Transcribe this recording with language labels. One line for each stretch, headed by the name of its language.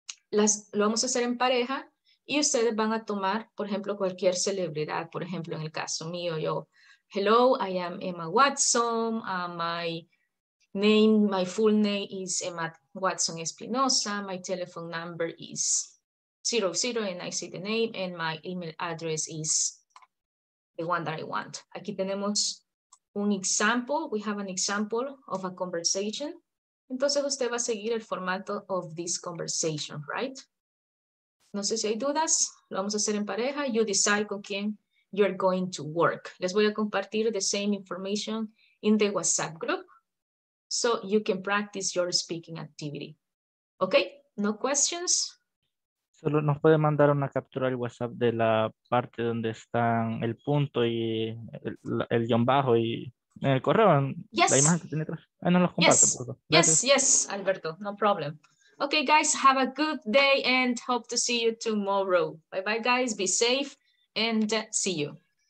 Spanish: Lo vamos a hacer en pareja y ustedes van a tomar, por ejemplo, cualquier celebridad. Por ejemplo, en el caso mío, yo,
English: hello, I am Emma Watson. My full name is Emma Watson Espinosa. My telephone number is 00 and I see the name and my email address is the one that I want.
Spanish: Aquí tenemos un example.
English: We have an example of a conversation.
Spanish: Entonces usted va a seguir el formato
English: of this conversation, right?
Spanish: No sé si hay dudas. Lo vamos a hacer en pareja.
English: You decide
Spanish: con quién
English: you're going to work.
Spanish: Les voy a compartir
English: the same information in the WhatsApp group so you can practice your speaking activity. Okay? No questions?
Spanish: Solo nos puede mandar una captura al WhatsApp de la parte donde están el punto y el guión bajo y en el correo.
English: Yes.
Spanish: La imagen que tiene atrás. Ahí nos los comparte, por favor.
English: Yes, yes, Alberto, no problem. Okay, guys, have a good day and hope to see you tomorrow. Bye bye, guys, be safe and see you.